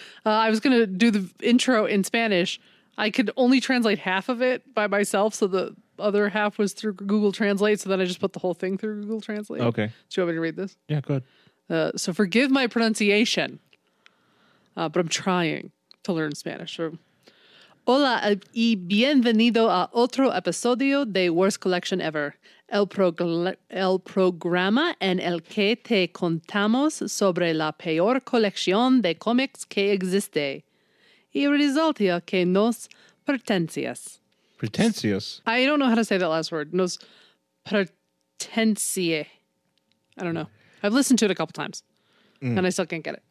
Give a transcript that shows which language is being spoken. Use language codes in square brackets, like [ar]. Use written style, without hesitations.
[en] I was going to do the intro in Spanish. I could only translate half of it by myself, so the other half was through Google Translate, so then I just put the whole thing through Google Translate. Okay. Do you want me to read this? Yeah, go ahead. So forgive my pronunciation, but I'm trying to learn Spanish. [es] So, hola y bienvenido a otro episodio de Worst Collection Ever, el programa en el que te contamos sobre la peor colección de cómics que existe y resulta que nos pertencias. [en] Pretentious. I don't know how to say that last word. Nos pretensie. I don't know. I've listened to it a couple times, and I still can't get it.